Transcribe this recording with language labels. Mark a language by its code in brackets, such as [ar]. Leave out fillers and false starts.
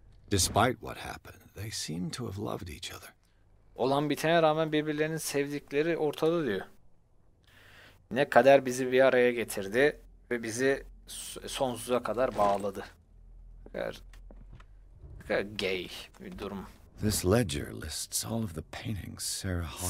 [en] Despite what happened, they seem to have loved each other. [tr] Olan bitene rağmen birbirlerini sevdikleri ortada diyor. Ne kader bizi bir araya getirdi ve bizi sonsuza kadar bağladı. Gay bir durum. [en] This ledger lists all of the paintings Sarah Hawkins.